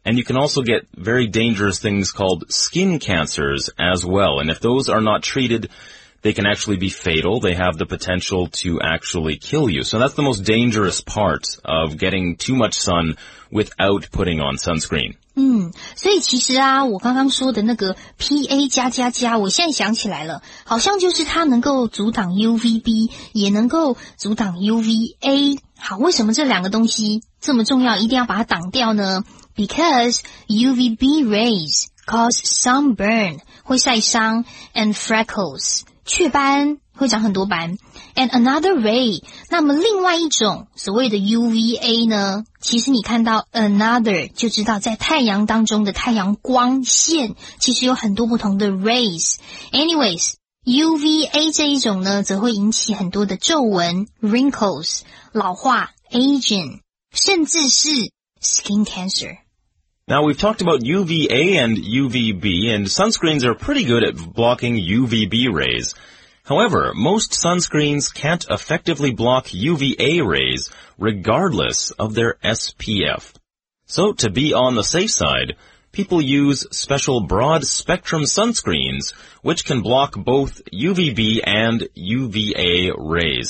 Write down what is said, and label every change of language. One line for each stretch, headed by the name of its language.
English: And you can also get very dangerous things called skin cancers as well. And if those are not treated, they can actually be fatal. They have the potential to actually kill you. So that's the most dangerous part of getting too much sun without putting on sunscreen.
Chinese: 所以其实啊，我刚刚说的那个 PA 加加加，我现在想起来了，好像就是它能够阻挡 UVB， 也能够阻挡 UVA。好，为什么这两个东西这么重要，一定要把它挡掉呢？
English: Because UVB rays cause sunburn
Chinese: 会晒伤
English: and freckles
Chinese: 雀斑会长很多斑。
English: And another ray,
Chinese: 那么另外一种所谓的 UVA 呢，其实你看到 another 就知道在太阳当中的太阳光线其实有很多不同的 rays. Anyways,UVA 这一种呢则会引起很多的皱纹 wrinkles 老化 aging 甚至是
English: skin cancer. Now we've talked about UVA and UVB and sunscreens are pretty good at blocking UVB rays. However, most sunscreens can't effectively block UVA rays regardless of their SPF. So to be on the safe sidePeople use special broad-spectrum sunscreens, which can block both UVB and UVA rays.